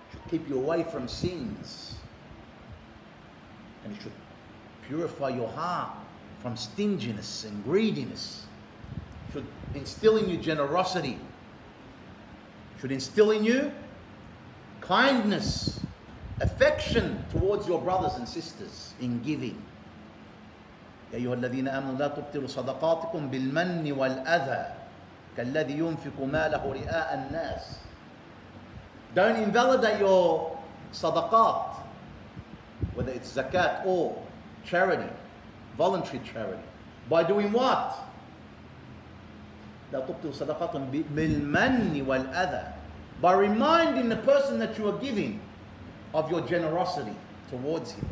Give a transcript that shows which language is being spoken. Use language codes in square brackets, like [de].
[en] Keep you away from sins, and it should purify your heart from stinginess and greediness. It should instill in you generosity. It should instill in you kindness, affection towards your brothers and sisters in giving. [ar] يا أيها الذين آمنوا لا تبطلوا صدقاتكم بالمن والأذى كالذي ينفق ماله رئاء الناس. [en] Don't invalidate your sadaqat, whether it's zakat or charity, voluntary charity, by doing what? [ar] لَا تُبْتِلُ صَدَقَاتٌ بِالْمَنِّ وَالْأَذَى. [en] By reminding the person that you are giving of your generosity towards him.